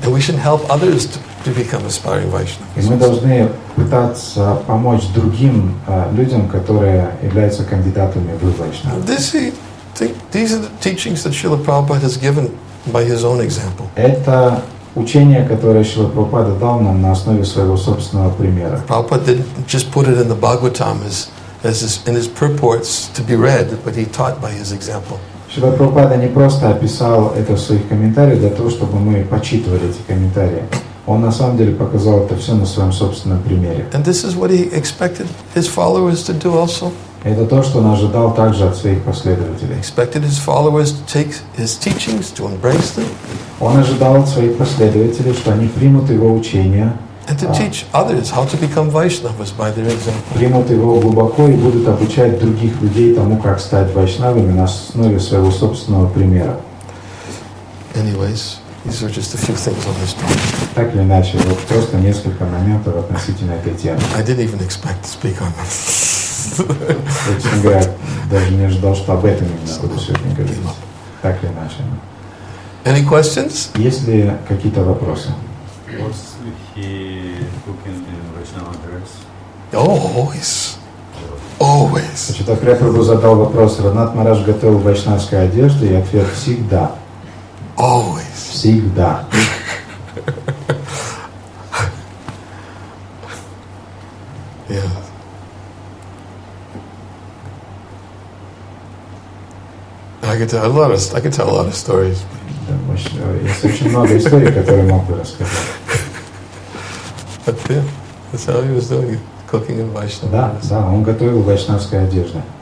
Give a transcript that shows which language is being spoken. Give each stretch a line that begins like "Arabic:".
English: And we should help others to become aspiring Vaishnavas.
Russian: И мы должны пытаться помочь другим людям, которые являются кандидатами в Вайшнаву.
English: These are the teachings that Srila Prabhupada has given by his own example.
Russian: Это учение, которое Шрила Прабхупада дал нам на основе своего собственного примера.
English: Prabhupada didn't just put it in the Bhagavatam in his purports to be read, but he taught by his example.
Russian: Шрила Прабхупада не просто описал это в своих комментариях для того, чтобы мы почитывали эти комментарии. Он на самом деле показал это все на своем собственном примере.
English: And this is what he expected his followers to do also.
Russian: Это то, что он ожидал также от своих последователей.
English: Expected his followers to take his teachings, to embrace them.
Russian: Он ожидал от своих последователей, что они примут его учение.
English: And to teach others how to become Vaishnavas by their example.
Russian: Примут его глубоко и будут обучать других людей тому, как стать вайшнавами на основе своего собственного примера.
English: Anyways, These are just a few things on this topic.
Russian: Так или иначе, вот просто несколько моментов относительно этой темы.
English: I didn't even expect to speak on them.
Russian: Очень говорят, даже не ожидал, что об этом именно буду сегодня говорить. Так или иначе.
English: Any questions?
Russian: Есть ли какие-то вопросы?
English: Was he cooking in Vaishnava dress? Always. Always.
Russian: Значит, так Прабху задал вопрос, Раднат Мараш готовил вайшнавскую одежду, и ответ всегда.
English: Always.
Russian: Всегда.
English: Yeah. I could tell a lot of stories.
Russian: Есть очень много историй, которые мог бы рассказать.
English: But yeah, that's how he was doing it. Cooking in Vaishnava.
Russian: Да, он готовил вайшнавскую одежду.